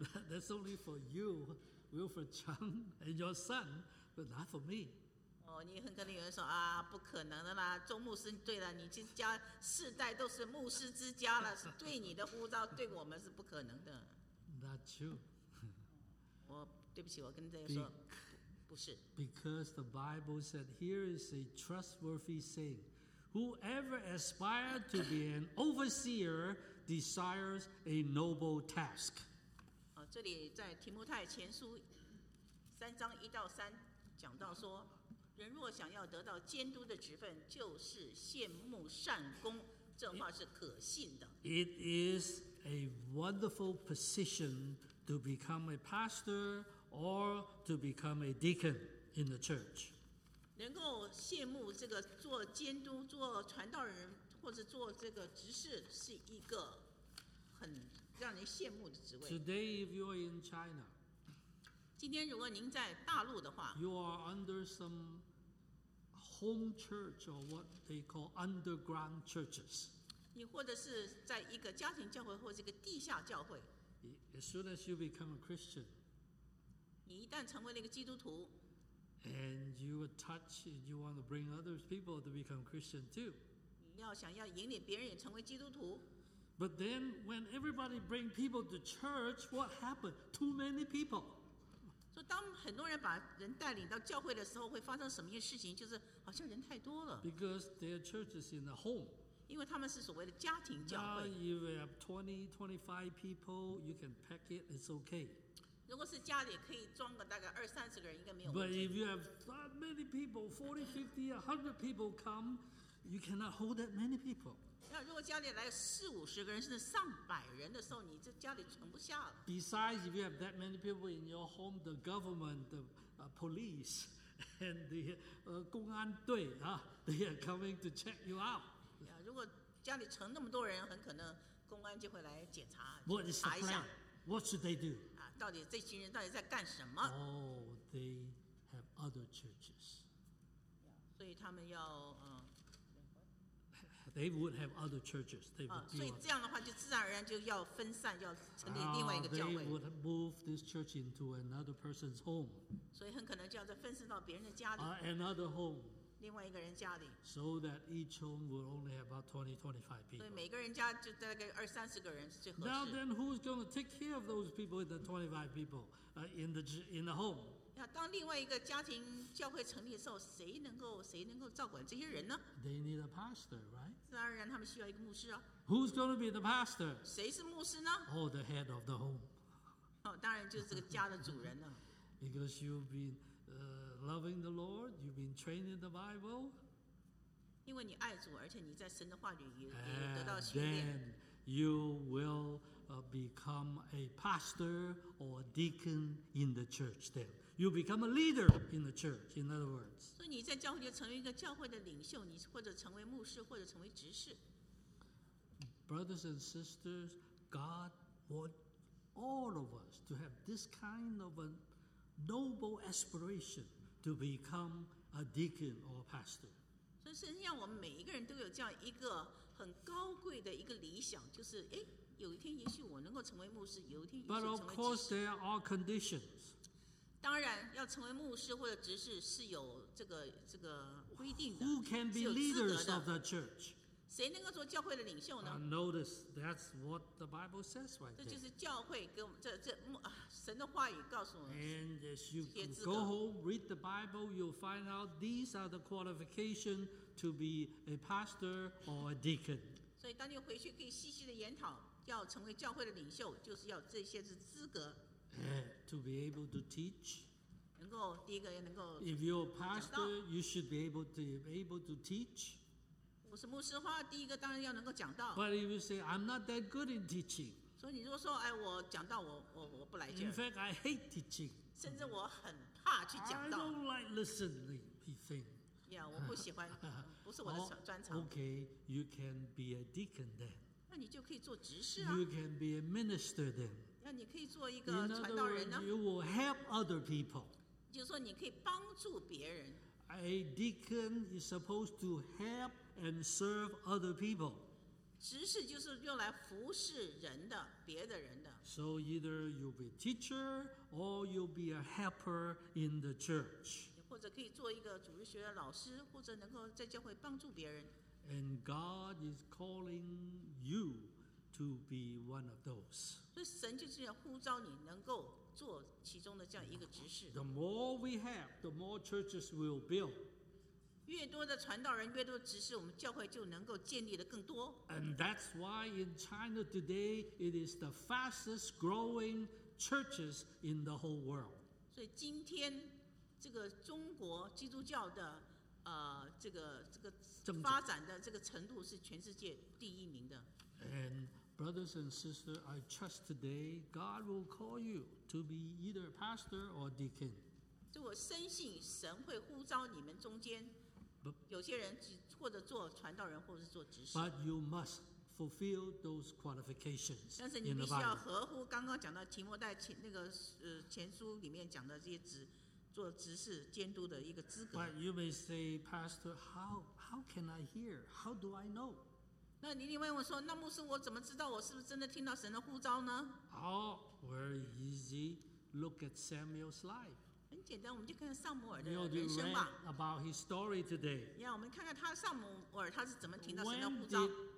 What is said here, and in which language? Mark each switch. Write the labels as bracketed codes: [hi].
[en] That's only for you, Wilfred Chang, and your son, but not for me. [zh] 哦，你很可能有人说啊，不可能的啦，钟牧师，对了，你这家世代都是牧师之家了，是对你的呼召，对我们是不可能的。 [en] Not true. [zh] 我对不起，我跟这个说，不是。 [en] Because the Bible said, here is a trustworthy saying. Whoever aspires to be an overseer desires a noble task. [zh] 这里在提摩太前书三章一到三讲到说，人若想要得到监督的职分，就是羡慕善工，这话是可信的。 [en] It is a wonderful position to become a pastor or to become a deacon in the church. [zh] 能够羡慕这个做监督、做传道人或者做这个执事，是一个很让人羡慕的职位。 [en] Today, if you are in China, [zh] 今天如果您在大陆的话 [en] ，you are under some home church or what they call underground churches. [zh] 你或者是在一个家庭教会或者一个地下教会。 [en] As soon as you become a Christian, [zh] 你一旦成为了一个基督徒。 [en] And you are touch, and you want to bring other people to become Christian too. [zh] 你要想要引领别人也成为基督徒。 [en] But then, when everybody bring people to church, what happened? Too many people. [zh] 所以当很多人把人带领到教会的时候，会发生什么样的事情？就是好像人太多了。 [en] Because their church is in the home. [zh] 因为他们是所谓的家庭教会。 [en] Now you have 20, 25 people, you can pack it. It's okay. [zh] 如果是家里可以装个大概二三十个人，应该没有问题。 [en] But if you have that many people, 40, 50, 100 people come, you cannot hold that many people. [zh] 那如果家里来四五十个人，甚至上百人的时候，你这家里存不下了。 [en] Besides, if you have that many people in your home, the government, the police, and the [zh] 公安队啊 [en] they are coming to check you out. [zh] 如果家里存那么多人，很可能公安就会来检查，查一下。 [en] What is the plan? What should they do? [zh] 到底这群人到底在干什么 [en] ？Oh, they have other churches. [zh] 所以他们要 [en] They would have other churches. They would. [zh] 所以这样的话就自然而然就要分散，要成立另外一个教会。 [en] They would move this church into another person's home. [zh] 所以很可能就要再分散到别人的家里。 [en] Another home. [zh] 另外一个人家里。 [en] So that each home would only have about 20, 25 people. [zh] 所以每个人家就大概二三十个人是最合适。 [en] Now then, who's going to take care of those people in the 25 people, in the home? [zh] 当另外一个家庭教会成立的时候，谁能够照管这些人呢 [en] ？They need a pastor, right? [zh] 自然而然，他们需要一个牧师啊。 [en] Who's going to be the pastor? [zh] 谁是牧师呢 [en] ？Oh, the head of the home. [zh] 当然就是这个家的主人了。 [en] Because you've beenloving the Lord, you've been training the Bible. [zh] 因为你爱主，而且你在神的话里也得到训练。 [en] And then you will become a pastor or a deacon in the church. Then you become a leader in the church. In other words, [zh] 所以你在教会就成为一个教会的领袖，你或者成为牧师，或者成为执事。 [en] Brothers and sisters, God wants all of us to have this kind of a noble aspiration. To become a deacon or a pastor. [zh] 所以神让我们每一个人都有这样一个很高贵的一个理想，就是哎，有一天也许我能够成为牧师，有一天也许成为执事。 [en] But of course, there are conditions. [zh] 当然，要成为牧师或者执事是有这个规定的。 [en] Who can be leaders of the church? [zh] 谁能够做教会的领袖呢 [en] ？Notice that's what the Bible says right there. [zh] 这就是教会给我们这牧神的话语告诉我们。 [en] And as you go home, read the Bible, you'll find out these are the qualifications to be a pastor or a deacon. [zh] 所以当你回去可以细细的研讨，要成为教会的领袖，就是要这些是资格。 [en] To be able to teach. [zh] 能够第一个能够。 [en] If you're a pastor, you should be able to teach. [zh] 我是牧师的话，第一个当然要能够讲道。 [en] But if you say I'm not that good in teaching， [zh] 所以你如果说哎，我讲道我不来劲。 [en] In fact, I hate teaching。 [zh] 甚至我很怕去讲道。 [en] I don't like listening to things。 [zh] Yeah, 我不喜欢，不是我的专长。 [en] Okay, you can be a deacon then。 [zh] 那你就可以做执事啊。 [en] You can be a minister then。 [zh] 那你可以做一个传道人呢。 [en] In other words, you will help other people。 [zh] 就是说你可以帮助别人。 [en] A deacon is supposed to help and serve other people. [zh] 执事就是用来服侍人的，别的人的。 [en] So either you'll be a teacher or you'll be a helper in the church. [zh] 或者可以做一个主日学的老师，或者能够在教会帮助别人。 [en] And God is calling you to be one of those. [zh] 所以神就是要呼召你能够。做其中的这样一个执事。 [en] The more we have, the more churches we'll build. [zh] 越多的传道人，越多执事，我们教会就能够建立的更多。 [en] And that's why in China today, it is the fastest growing churches in the whole world. [zh] 所以今天这个中国基督教的这个发展的这个程度是全世界第一名的。 [en] And brothers and sisters, I trust today God will call you. To be either a pastor or a deacon. [zh] 就我深信神会呼召你们中间有些人或者做传道人或者是做执事。 [en] But you must fulfill those qualifications. [zh] 但是你必须要合乎刚刚讲到提摩太前那个前书里面讲的这些职做执事监督的一个资格。 [en] But you may say, Pastor, how can I hear? How do I know? [zh] 那你另外我说，那牧师我怎么知道我是不是真的听到神的呼召呢？ [en] Oh, very easy. Look at Samuel's life. [zh] 很简单，我们就看看撒母耳的人生吧。 [en] About his story today. [zh] 呀，我们看看他撒母耳他是怎么听到神的呼召。